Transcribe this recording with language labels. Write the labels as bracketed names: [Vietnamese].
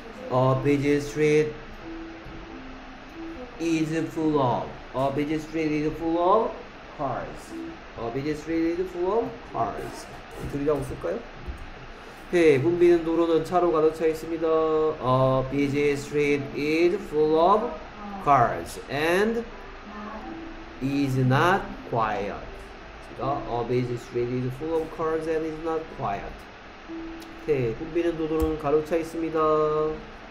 [English] A busy street is full of A busy street is full of cars. A busy street is full of cars. [Korean] 둘이라고 쓸까요? 네, 붐비는 도로는 차로 가득 차 있습니다. [English] A busy street is full of cars and is not quiet. A busy street is full of cars and is not quiet. [Korean] 네, 붐비는 도로는 가득 차 있습니다.